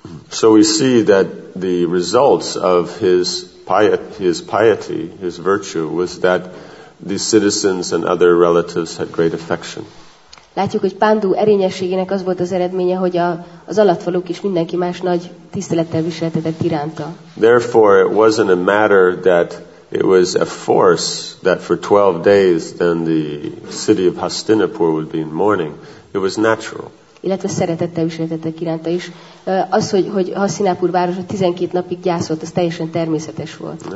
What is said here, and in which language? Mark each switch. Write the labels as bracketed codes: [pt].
[en] So we see that the results of his piety, his virtue, was that the citizens and other relatives had great affection. [hu] Látjuk, hogy Pándu erényességének az volt az eredménye, hogy az alattvalók is mindenki más nagy tisztelettel viseltetett iránta. [en] Therefore, it wasn't a matter that it was a force that for 12 days then the city of Hastinapur would be in mourning. It was natural. [hu] Illetve szeretettel viseltetett iránta is. Az, hogy Hastinapur városa 12 napig gyászolt, az teljesen természetes volt.